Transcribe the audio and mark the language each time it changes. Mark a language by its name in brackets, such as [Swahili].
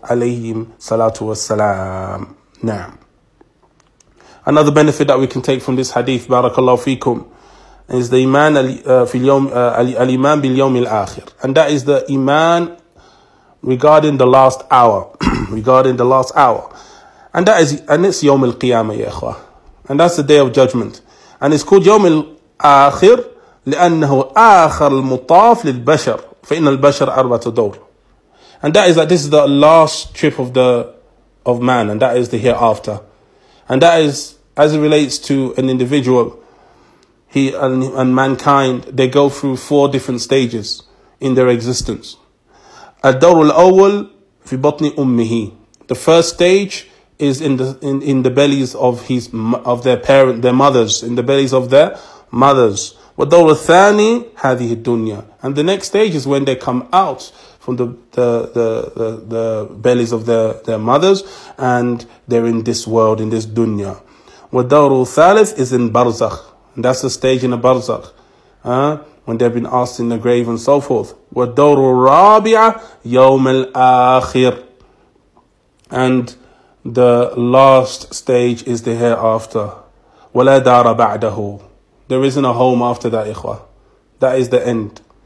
[English] Alayhim salatu wassalam. Naam. Another benefit that we can take from this hadith, barakallahu fikum, is the iman al-iman bil-yawm al-akhir. And that is the iman regarding the last hour. Regarding the last hour. And that is, and it's yawm al-qiyamah, ya ikhwah. And that's the day of judgment. And it's called yawm al-akhir [Arabic] لأنه آخر المطاف للبشر فإن البشر أربعة دور. [English] And that is that this is the last trip of man, and that is the hereafter. And that is, as it relates to an individual, he and mankind, they go through four different stages in their existence. [Arabic] الدور الأول في بطن أمه. [English] The first stage is in the bellies of their mothers. [Arabic] والدور الثاني هذه الدنيا. [English] And the next stage is when they come out from the bellies of their mothers, and they're in this world, in this dunya. [Arabic] والدور الثالث [English] is in barzakh. And that's the stage in a barzakh, when they've been asked in the grave and so forth. [Arabic] وَالدَّوْرُ الرَّابِعَ يَوْمَ الْآخِرِ. [English] And the last stage is the hereafter. [Arabic] وَلَا دَارَ بَعْدَهُ. [English] There isn't a home after that, ikhwah. That is the end.